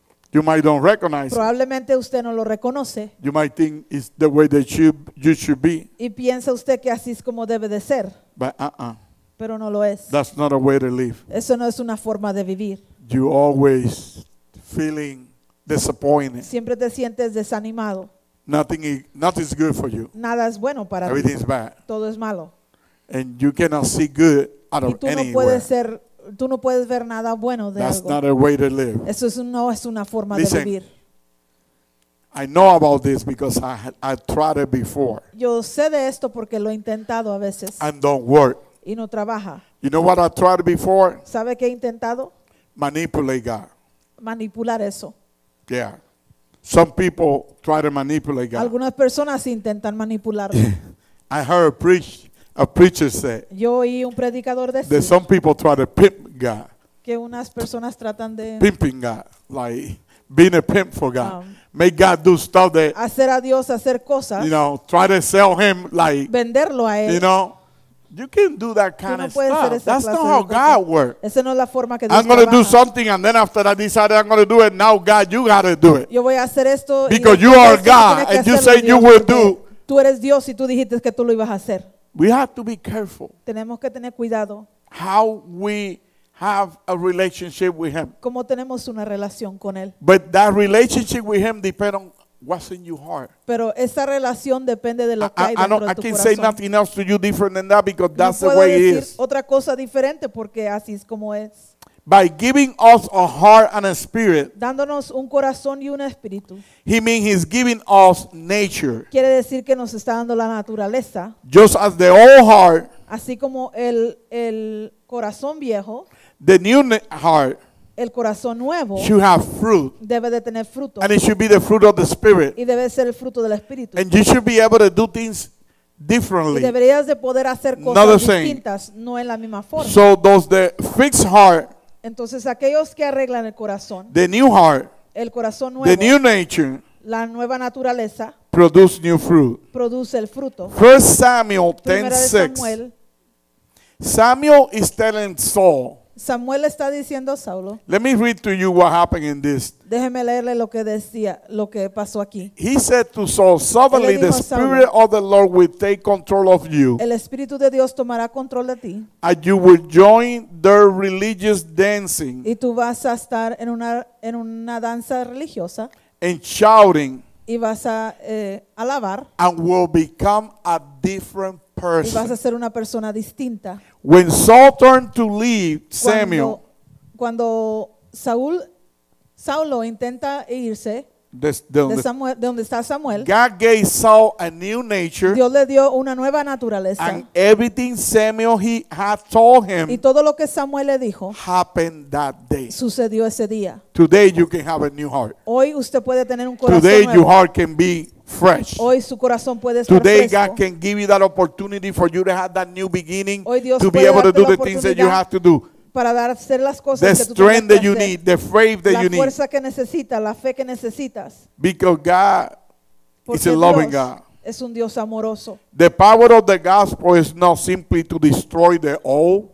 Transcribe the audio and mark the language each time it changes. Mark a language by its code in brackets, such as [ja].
[en] You might don't recognize. [es] Probablemente usted no lo reconoce. [en] You might think it's the way that you should be. [es] Y piensa usted que así es como debe de ser. [en] But uh-uh. [es] Pero no lo es. [en] That's not a way to live. [es] Eso no es una forma de vivir. [en] You always feeling disappointed. [es] Siempre te sientes desanimado. [en] Nothing is good for you. [es] Nada es bueno para ti. [en] Everything is bad. [es] Todo es malo. [en] And you cannot see good out of anywhere. [es] Y tú no puedes ser. Tú no puedes ver nada bueno de [en] that's [es] algo. [en] Not a way to live. [es] Eso es, no es una forma [en] listen, [es] de vivir. [en] I know about this because I tried it before. [es] Yo sé de esto porque lo he intentado a veces. [en] And don't work. [es] Y no trabaja. [en] You know what I tried before? [es] ¿Sabe qué he intentado? [en] Manipulate God. [es] Manipular eso. [en] Yeah. Some people try to manipulate God. [es] Algunas personas intentan manipularlo. [en] I heard a preacher said. [es] Yo oí un predicador decir. [en] That some people try to pimp God. [es] Que unas personas tratan de [en] pimping God, like being a pimp for God, make God do stuff that. [es] Hacer a Dios hacer cosas. [en] You know, try to sell him like. [es] Venderlo a él. [en] You know, you can do that kind [es] no [en] of stuff. That's not how God works. [es] Esa no es la forma que Dios trabaja. [en] I'm going to do something and then after that decide I'm going to do it. Now God, you got to do it. [es] Yo voy a hacer esto. [en] Because you are God and you say you will do. [es] Tú eres Dios y tú dijiste que tú lo ibas a hacer. [en] We have to be careful. [es] Tenemos que tener cuidado. [en] How we have a relationship with him. [es] Cómo tenemos una relación con él. [en] But that relationship with him depends on what's in your heart. [es] Pero esa relación depende de lo que hay dentro de tu corazón. [en] I can't say nothing else to you different than that because that's the way it is. [es] No puedo decir otra cosa diferente porque así es como es. [en] By giving us a heart and a spirit. [es] Dándonos un corazón y un espíritu. [en] He means he's giving us nature. [es] Quiere decir que nos está dando la naturaleza. [en] Just as the old heart. [es] Así como el corazón viejo. [en] The new heart. [es] el corazón nuevo [en] should have fruit, [es] debe de tener fruto, [en] and it should be the fruit of the Spirit, [es] y debe ser el fruto del Espíritu, [en] and you should be able to do things differently, [es] y deberías de poder hacer cosas [en] not the [es] distintas, [en] same. [es] No en la misma forma. [en] So those the fixed heart, [es] entonces aquellos que arreglan el corazón, [en] the new heart, [es] el corazón nuevo, [en] the new nature, [es] la nueva naturaleza, [en] produce new fruit, [es] produce el fruto. [en] 1 Samuel 10:6. Samuel is telling Saul. [es] Samuel está diciendo a Saulo. [en] Let me read to you what happened in this. [es] Déjeme leerle lo que decía, lo que pasó aquí. [en] He said to Saul, suddenly the Spirit of the Lord will take control of you. [es] El Espíritu de Dios tomará control de ti. [en] And you will join their religious dancing. [es] Y tú vas a estar en una danza religiosa. [en] And shouting. [es] Y vas a alabar. [en] And will become a different person. [es] Y vas a ser una persona distinta. [en] When Saul turned to leave Samuel, [es] cuando Saulo intenta irse de donde está Samuel, [en] God gave Saul a new nature. [es] Dios le dio una nueva naturaleza. [en] And everything Samuel he had told him, [es] y todo lo que Samuel le dijo, [en] happened that day. [es] Sucedió ese día. [en] Today you can have a new heart. [es] Hoy usted puede tener un corazón [en] today [es] nuevo. [en] Today your heart can be fresh. [es] Hoy su corazón puede estar [en] today [es] fresco. [en] God can give you that opportunity for you to have that new beginning. [es] Hoy Dios [en] to be able to do the things that you have to do. [es] Para dar, hacer las cosas [en] the [es] que [en] strength that you [es] hacer. [en] Need, the faith that [es] la [en] you need. [es] La fuerza que necesitas, la fe que necesitas. [en] Because God [es] porque [en] is a loving God. [es] Es un Dios amoroso. [en] The power of the gospel is not simply to destroy the old.